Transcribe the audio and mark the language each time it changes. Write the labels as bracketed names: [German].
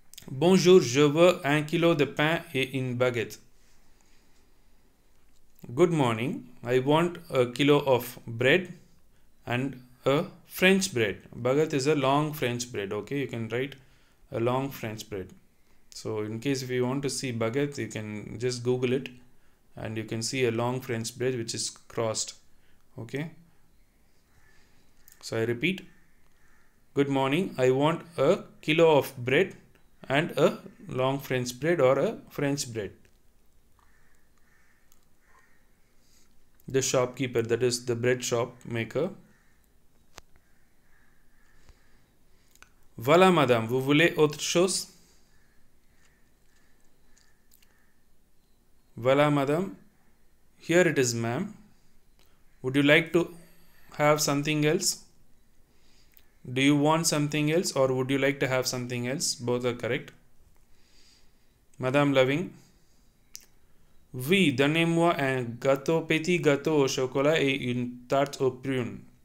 [French] Bonjour, je veux 1 kilo de pain et une baguette. [English] Good morning. I want 1 kilo of bread and a French bread. Baguette is a long French bread. Okay, you can write a long French bread. So, in case if you want to see baguette, you can just Google it and you can see a long French bread which is crossed. Okay. So, I repeat. Good morning. I want 1 kilo of bread and a long French bread or a French bread. The shopkeeper, that is the bread shop maker. [French] Voilà, madame, vous voulez autre chose? Voilà, madame, [English] here it is, ma'am. Would you like to have something else? Do you want something else or would you like to have something else? Both are correct. Madame Loving. [French] Oui, donnez-moi un gâteau, petit gâteau au chocolat et une tarte aux prunes.